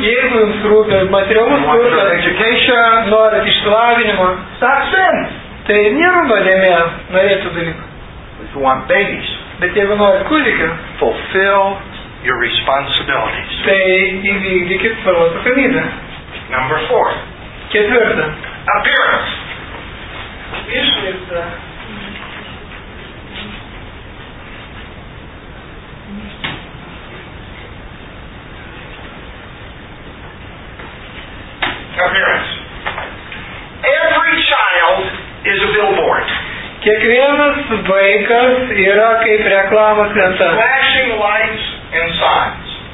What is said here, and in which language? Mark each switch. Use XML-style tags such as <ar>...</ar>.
<lt>Jeigu jums rūpi materialus turtas, norit išsilavinimo,</lt> <en>stop sin.</en> <lt>Tai nėra nuodėmė norėtų dalykų.</lt> <en>If you want babies,</en> <lt>bet jeigu norit kūdikio,</lt> <en>fulfill your responsibilities.</en> <lt>Tai įvykdykit savo atsakomybę.</lt> <en>Number four.</en> <lt>Ketvirta.</lt> <en>Appearance.</en> <lt>Išvaizda.</lt> <en>Appearance. Every child is a billboard.</en> <lt>Kiekvienas vaikas yra kaip reklamos lenta.</lt> <en>Flashing lights and signs.</en>